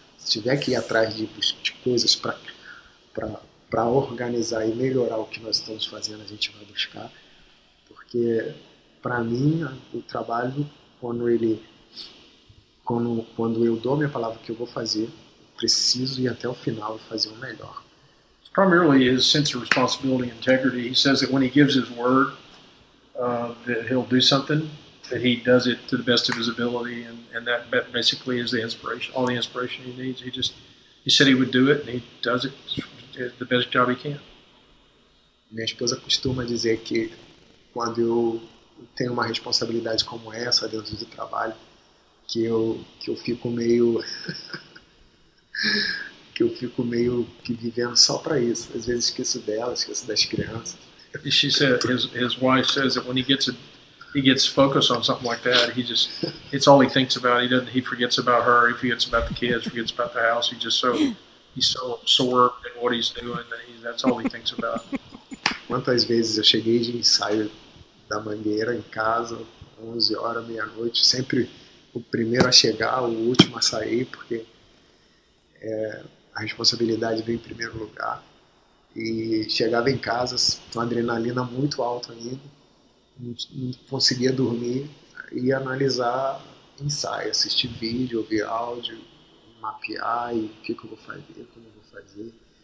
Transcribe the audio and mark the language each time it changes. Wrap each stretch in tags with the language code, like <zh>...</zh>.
<pt>Se tiver que ir atrás de coisas para organizar e melhorar o que nós estamos fazendo, a gente vai buscar. Porque, para mim, o trabalho, quando ele... Quando eu dou a minha palavra que eu vou fazer, preciso ir até o final e fazer o melhor.</pt> <en>Primarily his sense of responsibility and integrity. He says that when he gives his word, that he'll do something, that he does it to the best of his ability, and that basically is the inspiration, all the inspiration he needs. He said he would do it, and he does it the best job he can.</en> <pt>Minha esposa costuma dizer que quando eu tenho uma responsabilidade como essa dentro do trabalho, que eu fico meio que eu fico meio que vivendo só para isso. Às vezes esqueço dela, esqueço das crianças.</pt> <en>She said his wife says that when he gets focused on something like that, he just, it's all he thinks about. He forgets about her, he forgets about the kids, forgets about the house. He's so absorbed in what he's doing that that's all he thinks about.</en> <pt>Quantas vezes eu cheguei de ensaio da Mangueira em casa 11 horas, meia-noite, sempre o primeiro a chegar, o último a sair, porque a responsabilidade vem em primeiro lugar. E chegava em casa com adrenalina muito alta ainda, não conseguia dormir, e analisar ensaio, assistir vídeo, ouvir áudio, mapear e o que eu vou fazer, como eu vou fazer.</pt>